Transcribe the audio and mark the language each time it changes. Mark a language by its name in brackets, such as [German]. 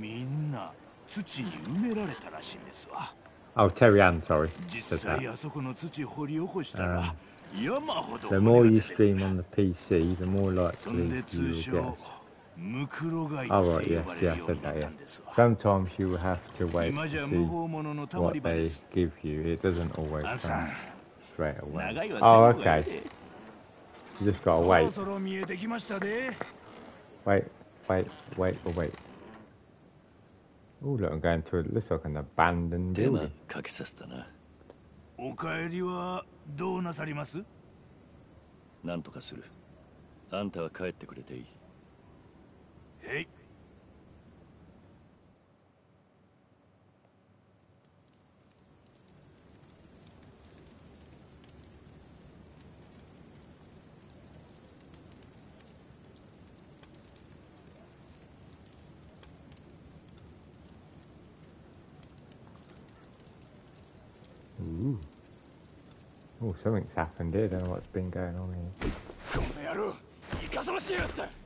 [Japanese] みんな土に埋められたらしいんですわ。 [English] Oh, Terry Ann, sorry. [Japanese] 実際あそこの土掘り起こしたら、山ほど骨が出てる。 [English] The more you stream on the PC, the more likely you will get. [Japanese] ムクロガイって呼ばれるようになったんですわ。 [English] Oh, right. Yes, yes, yes. Sometimes you have to wait to see what they give you. It doesn't always come straight away. Oh, okay. You just gotta wait. [Japanese] そろそろ見えてきましたで。 [English] Wait. Oh, look, I'm going to it. Looks like an abandoned building. [Japanese] でもかけさせたな。お帰りはどうなさります？なんとかする。あんたは帰ってくれていい。 [English] Hey. Ooh. Oh, something's happened here. I don't know what's been going on here. [Japanese] この野郎、イカサマしやがった。